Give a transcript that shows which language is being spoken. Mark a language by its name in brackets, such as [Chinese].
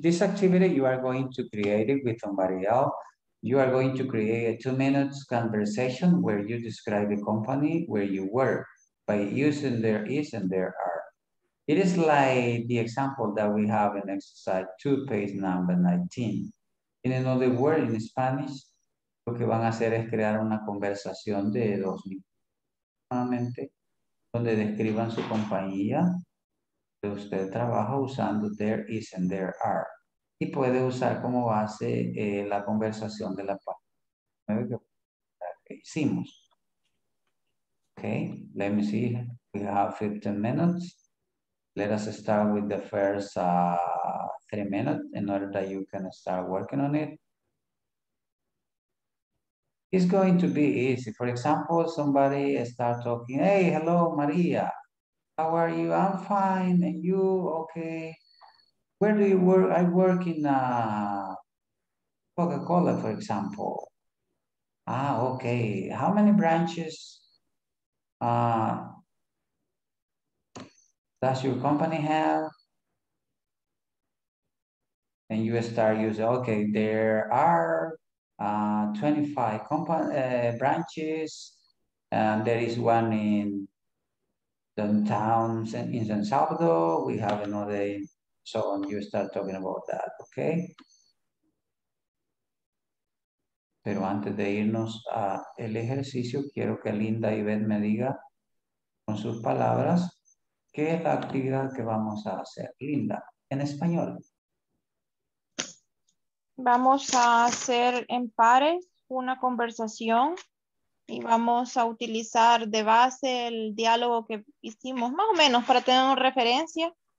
[English] This activity you are going to create it with somebody else. You are going to create a 2 minutes conversation where you describe the company where you work by using there is and there are. It is like the example that we have in exercise 2, page number 19. In another word, in Spanish, [Spanish] lo que van a hacer es crear una conversación de 2 minutos. Nuevamente. Donde describan su compañía que usted trabaja usando there is and there are. Y puede usar como base la conversación de la página que hicimos. [English] Okay, let me see. We have 15 minutes. Let us start with the first 3 minutes in order that you can start working on it. It's going to be easy. For example, somebody start talking, hey, hello, Maria. How are you? I'm fine. And you? Okay. Where do you work? I work in Coca-Cola, for example. Ah, okay. How many branches does your company have? And you start using, okay, there are 25 branches, and there is one in downtown in San Salvador. We have another, so on. You start talking about that, okay? [Spanish] Pero antes de irnos a el ejercicio, quiero que Linda y Beth me diga con sus palabras qué es la actividad que vamos a hacer. Linda, en español. Vamos a hacer en pares una conversación y vamos a utilizar de base el diálogo que hicimos, más o menos, para tener una referencia.